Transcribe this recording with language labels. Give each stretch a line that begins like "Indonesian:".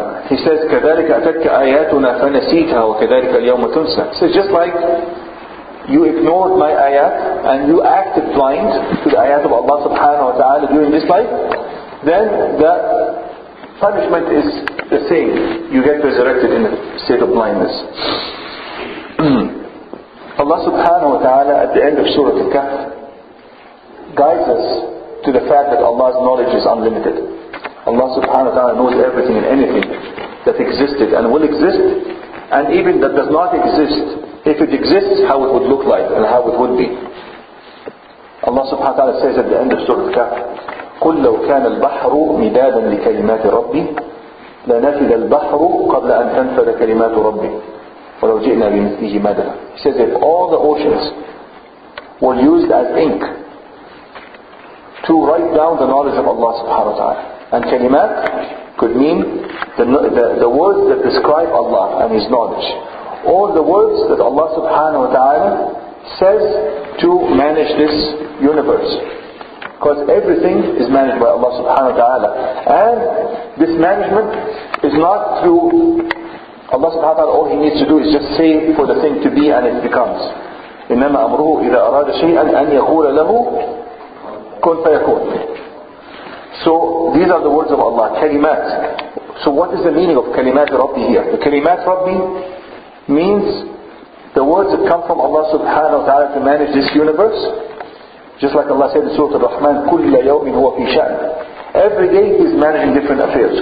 English: He says,
Arabic: كَذَلِكَ أَتَتْكَ آيَاتُنَا فَنَسِيتَهَا وَكَذَلِكَ الْيَوْمَ تُنْسَى.
English: He says, just like you ignored my ayat and you acted blind to the ayat of Allah subhanahu wa ta'ala during this life, then the punishment is the same. You get resurrected in a state of blindness. Allah subhanahu wa ta'ala at the end of Surah Al-Kahf guides us to the fact that Allah's knowledge is unlimited. Allah subhanahu wa ta'ala knows everything and anything that existed and will exist, and even that does not exist, if it exists, how it would look like and how it would be. Allah subhanahu wa ta'ala says at the end of Surah Al-Kahf,
Arabic: قُلْ لَوْ كَانَ الْبَحْرُ مِدَادًا لِكَلِمَاتِ رَبِّي لَنَفِدَ الْبَحْرُ قَبْلَ أَنْ تَنْفَدَ كَلِمَاتُ رَبِّي وَلَوْ جِئْنَا بِمِثْلِهِ مَدَدًا.
English: He says, if all the oceans were used as ink to write down the knowledge of Allah subhanahu wa ta'ala, and kalimat could mean the words that describe Allah and His knowledge, or the words that Allah subhanahu wa ta'ala says to manage this universe. Because everything is managed by Allah subhanahu wa ta'ala. And this management is not through Allah subhanahu wa ta'ala, all He needs to do is just say for the thing to be and it becomes.
Arabic: إِنَّمَا أَمْرُهُ إِذَا أَرَادَ شَيْئًا أَنْ يَقُولَ لَهُ كُنْ فَيَكُونَ.
English: So these are the words of Allah, kalimat. So what is the meaning of kalimat Rabbi here? The kalimat Rabbi means the words that come from Allah subhanahu wa ta'ala to manage this universe. Just like Allah said in Surah Al-Rahman,
Arabic: كُلَّ يَوْمٍ هُوَ فِي شَأْنٍ.
English: Every day He's managing different affairs.